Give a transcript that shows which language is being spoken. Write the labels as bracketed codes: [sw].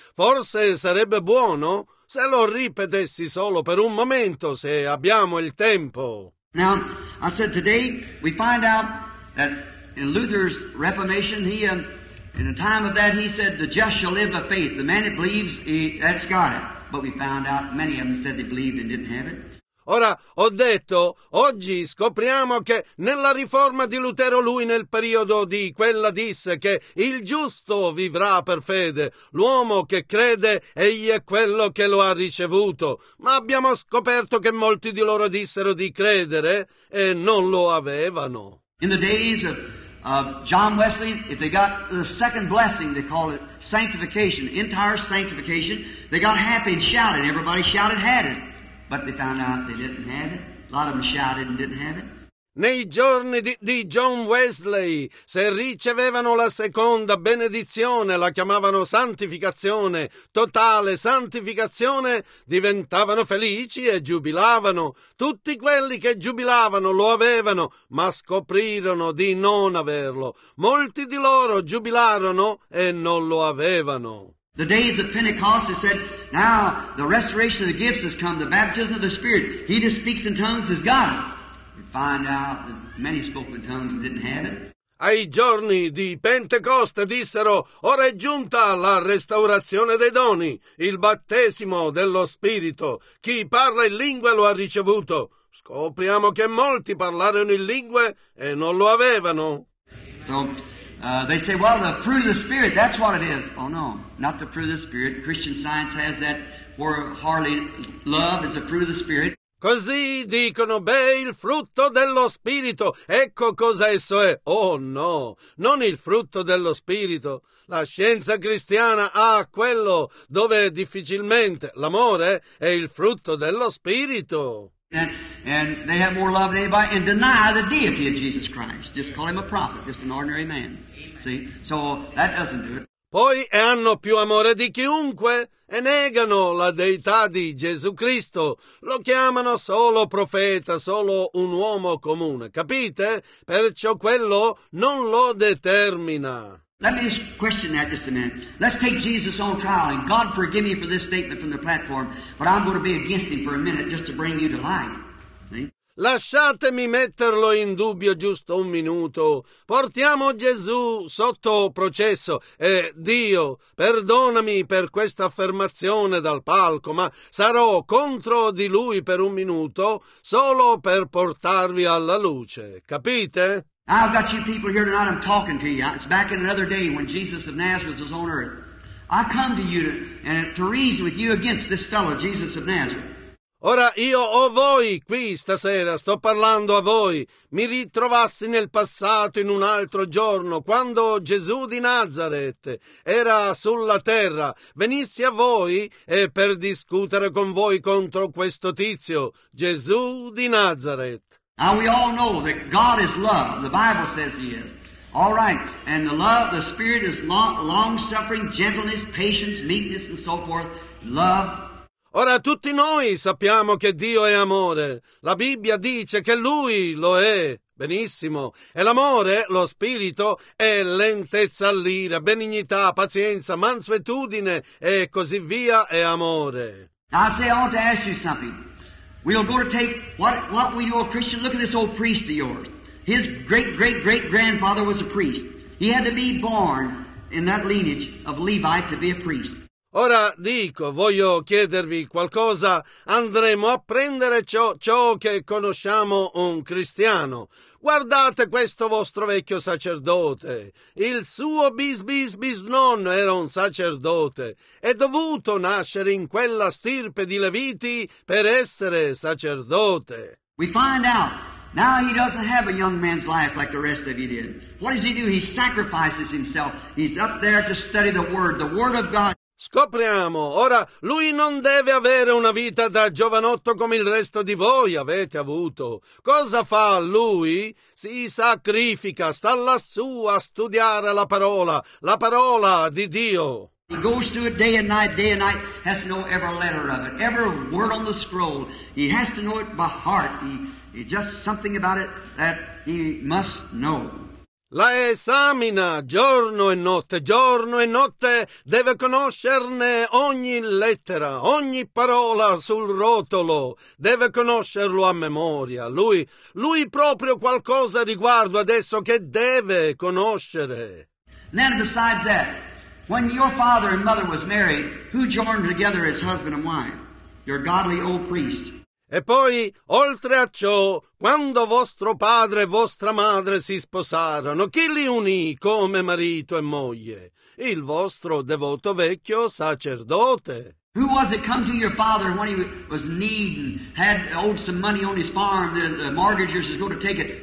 [it] Forse sarebbe buono se lo ripetessi solo per un momento, se abbiamo il tempo. [en] Now, I said today we find out that in Luther's Reformation in the time of that, he said, the just shall live by faith. The man that believes, that's got it. But we found out many of them said they believed and didn't have it. [it] Ora, ho detto, oggi scopriamo che nella riforma di Lutero, lui nel periodo di quella disse che il giusto vivrà per fede. L'uomo che crede, egli è quello che lo ha ricevuto. Ma abbiamo scoperto che molti di loro dissero di credere e non lo avevano. [en] In the days of John Wesley, if they got the second blessing, they call it sanctification, entire sanctification, they got happy and shouted. Everybody shouted, had it. But they found out they didn't have it. A lot of them shouted and didn't have it. [it] Nei giorni di John Wesley, se ricevevano la seconda benedizione, la chiamavano santificazione, totale santificazione, diventavano felici e giubilavano. Tutti quelli che giubilavano lo avevano, ma scoprirono di non averlo. Molti di loro giubilarono e non lo avevano. [en] The days of Pentecost, he said, now the restoration of the gifts has come, the baptism of the Spirit. He that speaks in tongues is God. Find out that many spoke in tongues and didn't have it. [it] Ai giorni di Pentecoste dissero, ora è giunta la restaurazione dei doni, il battesimo dello Spirito. Chi parla in lingue lo ha ricevuto. Scopriamo che molti parlarono in lingue e non lo avevano. [en] So, they say, well, the fruit of the Spirit, that's what it is. Oh no, not the fruit of the Spirit. Christian Science has that, or hardly love is a fruit of the Spirit. [it] Così dicono, beh, il frutto dello Spirito, ecco cosa esso è. Oh no, non il frutto dello Spirito. La scienza cristiana ha quello dove difficilmente l'amore è il frutto dello Spirito. [en] And they have more love than anybody, and deny the deity of Jesus Christ. Just call him a prophet, just an ordinary man. See, so that doesn't do it. [it] Poi e hanno più amore di chiunque e negano la deità di Gesù Cristo. Lo chiamano solo profeta, solo un uomo comune. Capite? Perciò quello non lo determina. [en] Let me just question that just a minute. Let's take Jesus on trial, and God forgive me for this statement from the platform, but I'm going to be against him for a minute just to bring you to light. [it] Lasciatemi metterlo in dubbio giusto un minuto. Portiamo Gesù sotto processo e Dio, perdonami per questa affermazione dal palco, ma sarò contro di lui per un minuto solo per portarvi alla luce. Capite? [en] I've got you people here tonight, I'm talking to you. It's back in another day when Jesus of Nazareth was on earth. I come to you to reason with you against this fellow, Jesus of Nazareth. [it] Ora io ho voi qui stasera, sto parlando a voi. Mi ritrovassi nel passato in un altro giorno, quando Gesù di Nazareth era sulla terra. Venissi a voi per discutere con voi contro questo tizio, Gesù di Nazareth. [en] Now we all know that God is love. The Bible says he is. All right. And the love, the Spirit is long-suffering, gentleness, patience, meekness, and so forth. Love. [it] Ora tutti noi sappiamo che Dio è amore. La Bibbia dice che Lui lo è. Benissimo. E l'amore, lo spirito, è lentezza all'ira, benignità, pazienza, mansuetudine e così via è amore. [en] Now I say I want to ask you something. We'll go to take what we do a Christian. Look at this old priest of yours. His great-great-great-grandfather was a priest. He had to be born in that lineage of Levi to be a priest. [it] Ora dico, voglio chiedervi qualcosa, andremo a prendere ciò che conosciamo un cristiano. Guardate questo vostro vecchio sacerdote, il suo bisnonno era un sacerdote, è dovuto nascere in quella stirpe di Leviti per essere sacerdote. [en] We find out, now he doesn't have a young man's life like the rest of you did. What does he do? He sacrifices himself, he's up there to study the word of God. [it] Scopriamo, ora lui non deve avere una vita da giovanotto come il resto di voi avete avuto. Cosa fa lui? Si sacrifica, sta lassù a studiare la parola di Dio. [en] He goes through it day and night, has to know every letter of it, every word on the scroll. He has to know it by heart. He just something about it that he must know. [it] La esamina giorno e notte deve conoscerne ogni lettera, ogni parola sul rotolo, deve conoscerlo a memoria, lui proprio qualcosa riguardo adesso che deve conoscere. [en] Then besides that, when your father and mother was married, who joined together as husband and wife? Your godly old priest. [it] E poi, oltre a ciò, quando vostro padre e vostra madre si sposarono, chi li unì come marito e moglie? Il vostro devoto vecchio sacerdote. [en] Who was it come to your father when he was needing, had owed some money on his farm, the mortgagers was going to take it?